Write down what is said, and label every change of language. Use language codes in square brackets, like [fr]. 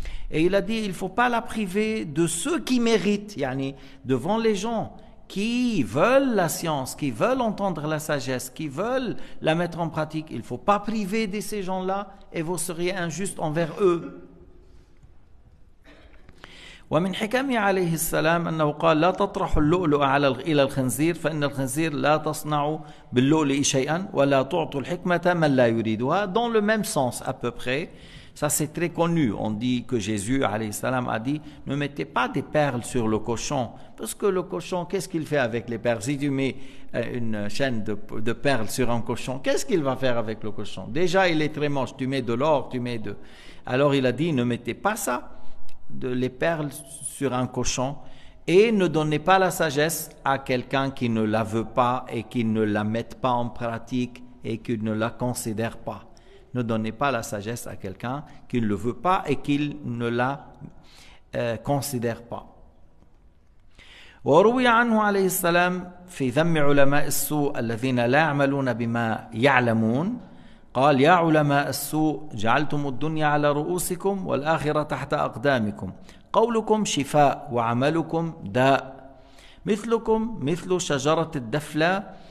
[fr] Et il a dit, il ne faut pas la priver de ceux qui méritent, yani, devant les gens qui veulent la science, qui veulent entendre la sagesse, qui veulent la mettre en pratique. Il ne faut pas priver de ces gens-là et vous seriez injuste envers eux. [ar] ومن حكمه عليه السلام أنه قال لا تطرح اللؤلؤ على إلى الخنزير فإن الخنزير لا تصنع باللؤلؤ شيئا ولا تعطي الحكمة من لا يريدها. [fr] Dans le même sens à peu près. Ça c'est très connu. On dit que Jésus alayhi salam a dit ne mettez pas des perles sur le cochon, parce que le cochon, qu'est-ce qu'il fait avec les perles? Si tu mets une chaîne de perles sur un cochon, qu'est-ce qu'il va faire avec le cochon? Déjà il est très moche. Tu mets de l'or, tu mets de... Alors il a dit ne mettez pas ça, de les perles sur un cochon, et ne donnez pas la sagesse à quelqu'un qui ne la veut pas et qui ne la met pas en pratique et qui ne la considère pas. Ne donnez pas la sagesse à quelqu'un qui ne le veut pas et qui ne la considère pas. [ar] وروي عنه عليه السلام في ذم علماء السوء الذين لا يعملون بما يعلمون قال يا علماء السوء جعلتم الدنيا على رؤوسكم والآخرة تحت أقدامكم قولكم شفاء وعملكم داء مثلكم مثل شجرة الدفلة